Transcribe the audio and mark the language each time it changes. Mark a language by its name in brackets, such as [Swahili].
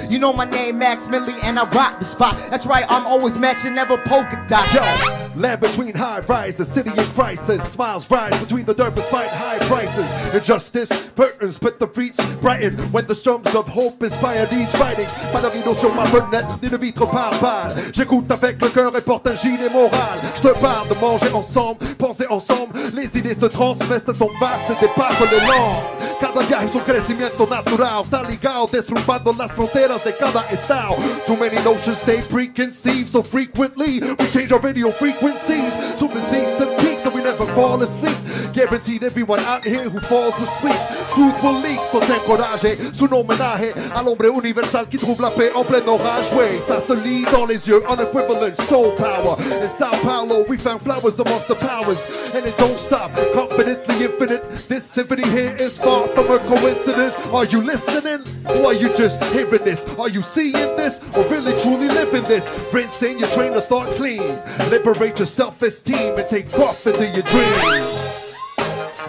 [English] You know my name, Max Millie, and I rock the spot. That's right, I'm always matching, never polka dot. Yo, land between high rises, city in crisis. Smiles rise between the dirt despite high prices. Injustice burdens, but the streets brighten when the storms of hope inspire these writings. [French] Pas de rideau sur ma fenêtre, ni de vitre par balle. J'écoute avec le cœur et porte un gilet moral. J'te parle de manger ensemble, penser ensemble. Les idées se transvestent, sont vastes, dépassent. [Spanish] Cada viaje es un crecimiento natural. Está ligado, derrumbando las fronteras de cada estado. [English] Too many notions stay preconceived. So frequently, we change our radio frequencies. Too many things to peak, so we never fall asleep. Guaranteed everyone out here who falls asleep. Truth will leak, so [Spanish] ten coraje. Su homenaje al hombre universal que [French] trouve la paix en plein orage. Way, ça se lit dans les yeux, [English] unequivalent soul power. In Sao Paulo, we found flowers amongst the powers. And it don't stop, confidently infinite. This symphony here is far from a coincidence. Are you listening? Or are you just hearing this? Are you seeing this? Or really truly living this? Rinsing your train of thought clean. Liberate your self-esteem and take off into your dreams.